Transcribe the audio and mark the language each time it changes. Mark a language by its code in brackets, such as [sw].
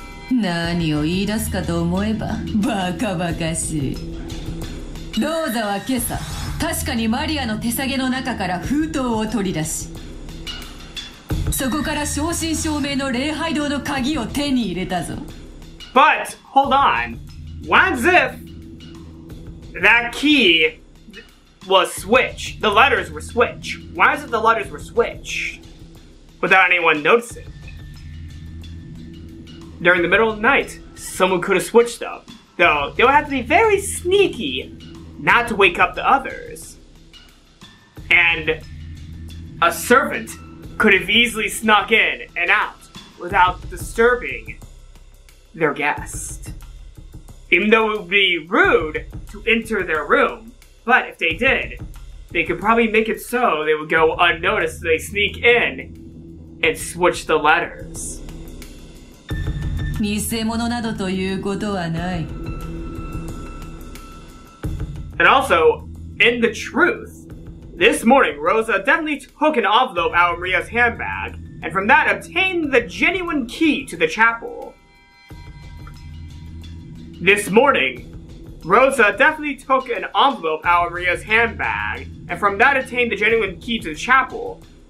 [ja] 何を言い出すかと思えばバカバカしい。ローザは今朝確かにマリアの手提げの中から封筒を取り出し、そこから正真正銘の礼拝堂の鍵を手に入れたぞ。 [en] But hold on, what if that key was switch, the letters were switch? Why is it the letters were switch without anyone noticing? During the middle of the night, someone could have switched them. Though they would have to be very sneaky not to wake up the others. And a servant could have easily snuck in and out without disturbing their guest. Even though it would be rude to enter their room, but if they did, they could probably make it so they would go unnoticed as they sneak in and switch the letters. [ja] 偽物などということはない。 [en] And also, in the truth, this morning Rosa definitely took an envelope out of Maria's handbag and from that obtained the genuine key to the chapel. This morning, Rosa definitely took an envelope out of Maria's handbag and from that obtained the genuine key to the chapel.